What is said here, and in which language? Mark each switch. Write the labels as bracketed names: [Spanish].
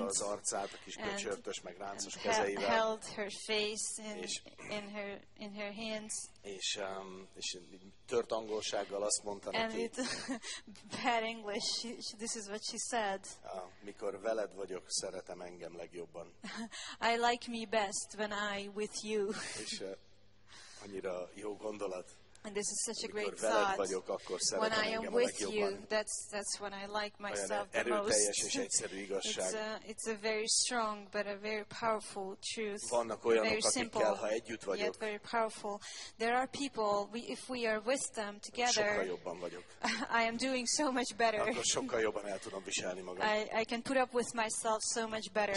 [Hungarian] az arcát a kis köcsörtös, meg ráncos kezeivel, [English] held her face in her hands. [Hungarian] És tört angolsággal azt mondta neki. [English] And it, bad English. This is what she said. [Hungarian] Mikor veled vagyok, szeretem engem legjobban. [English] I like me best when I with you. [Hungarian] És annyira jó gondolat. [English] And this is such a great thought. [Hungarian] Mikor veled vagyok, akkor szeretem engem legjobban. [English] When I am with you, that's when I like myself the most. [Hungarian] Olyan erőteljes és egyszerű igazság. [English] It's a very strong but a very powerful truth. [Hungarian] Vannak olyanok, akikkel, ha együtt vagyok. [English] Yet very powerful. There are people, if we are with them together, [Hungarian] sokkal jobban vagyok. [English] I am doing so much better. [Hungarian] Akkor sokkal jobban el tudom viselni magam. [English] I can put up with myself so much better.